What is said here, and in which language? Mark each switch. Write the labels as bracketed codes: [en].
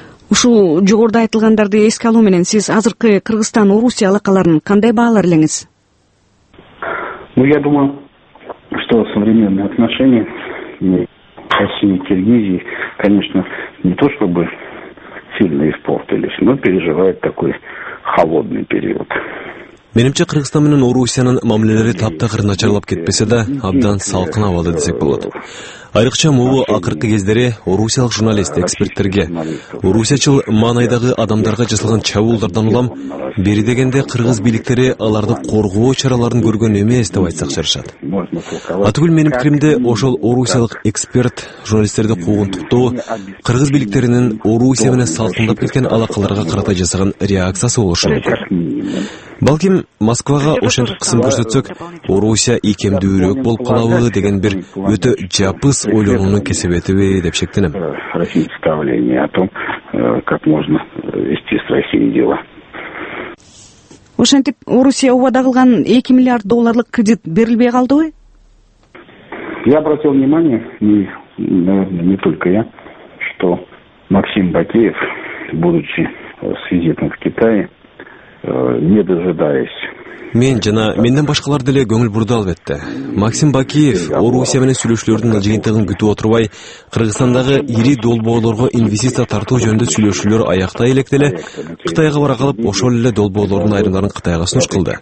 [ky] Ушул жогоруда айтылгандарды эске алуу менен сиз азыркы Кыргызстан Орусия алакаларын кандай баалар элеңиз? [ru] Ну я думаю, что современные отношения России и Киргизии, конечно, не то чтобы сильно испортились, но переживают такой холодный период. [ky] Менимче Кыргызстан менен Орусиянын мамилелери таптакыр начарлап кетпесе да абдан салкын абалда десек болот. Айрыкча [ru] могу [ky] акыркы кездери орусиялык журналист эксперттерге орусиячыл маанайдагы адамдарга жасалган чабуулдардан улам бери дегенде кыргыз бийликтери аларды коргоо чараларын көргөн эмес деп айтсак жарашат. Атүгүл менин пикиримде ошол орусиялык эксперт журналисттерди куугунтуктоо кыргыз бийликтеринин Орусия менен салкындап кеткен алакаларга карата жасаган реакциясы болушу мүмкүн. Балким Москвага ошентип кысым көрсөтсөк Орусия ийкемдүүрөөк болуп калабы деген бир өтө жапыз ойлонуунун кесепетиби деп шектенем. [ru] Представление о том, как можно вести с Россией дела. [ky] Ошентип Орусия убада кылган 2 миллиард долларлык кредит берилбей калдыбы? [ru] Я обратил внимание, наверное, не только я, что Максим Бакеев, будучи с визитом в Китае, не дожидаясь. [ky] Мен жана менден башкалар деле көңүл бурду албетте. Максим Бакиев Орусия менен сүйлөшүүлөрдүн жыйынтыгын күтүп отурбай, Кыргызстандагы ири долбоолорго инвестиция тартуу жөнүндө сүйлөшүүлөр аяктай элек деле, Кытайга бара калып, ошол эле долбоолордун айрымдарын Кытайга сунуш кылды.